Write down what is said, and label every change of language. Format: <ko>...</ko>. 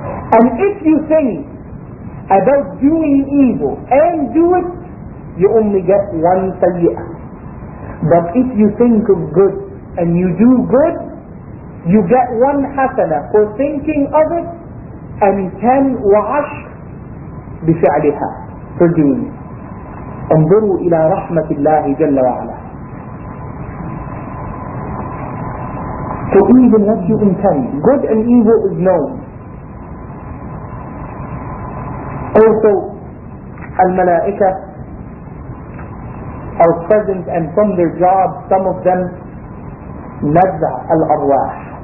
<en>And if you think about doing evil and do it, you only get one sayyi'ah. But if you think of good and you do good, you get one hasana for thinking of it, and 10 wa'ash bifi'liha, for doing it.</en> <ar>انظروا إلى رحمة الله جل وعلا.</ar> <en>So even what you intend, good and evil is known. Also, al-malaika are present, and from their job, some of them</en> <ar>نَزَّعَ الْأَرْوَاحِ.</ar>